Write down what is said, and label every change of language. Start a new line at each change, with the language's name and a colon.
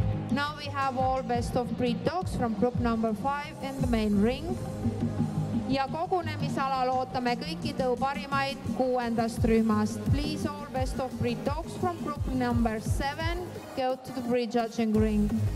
English: Now we have all best of breed dogs from group number 5 in the main ring.
Estonian: Ja kogunemisalal ootame kõiki tõuparimaid kuuendast rühmast.
English: Please all best of breed dogs from group number 7 go to the breed judging ring.